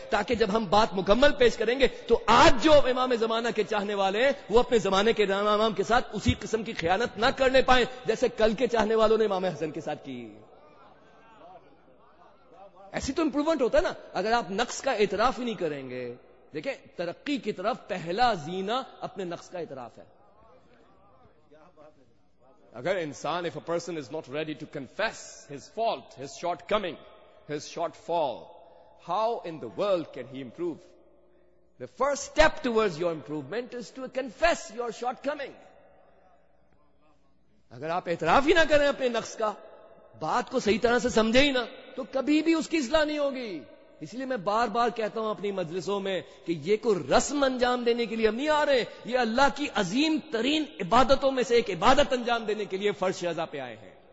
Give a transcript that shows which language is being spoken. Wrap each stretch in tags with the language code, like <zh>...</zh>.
<ur>تاکہ جب ہم بات مکمل پیش کریں گے تو آج جو امام زمانہ کے چاہنے والے ہیں وہ اپنے زمانے کے امام کے ساتھ اسی قسم کی خیانت نہ کرنے پائیں جیسے کل کے چاہنے والوں نے امام حسن کے ساتھ کی. ایسی تو امپروومنٹ ہوتا ہے نا، اگر آپ نقص کا اعتراف ہی نہیں کریں گے. دیکھیں ترقی کی طرف پہلا زینہ اپنے نقص کا اعتراف ہے. اگر انسان</ur> <en>if a person is not ready to confess his fault, his shortcoming, his shortfall, how in the world can he improve? The first step towards your improvement is to confess your shortcoming.</en> <ur>اگر آپ اعتراف ہی نہ کریں اپنے نقص کا، بات کو صحیح طرح سے سمجھے ہی نہ، تو کبھی بھی اس کی اصلاح نہیں ہوگی. اس لیے میں بار بار کہتا ہوں اپنی مجلسوں میں کہ یہ کوئی رسم انجام دینے کے لیے ہم نہیں آ رہے، یہ اللہ کی عظیم ترین عبادتوں میں سے ایک عبادت انجام دینے کے لیے فرش رضا پہ آئے ہیں.</ur>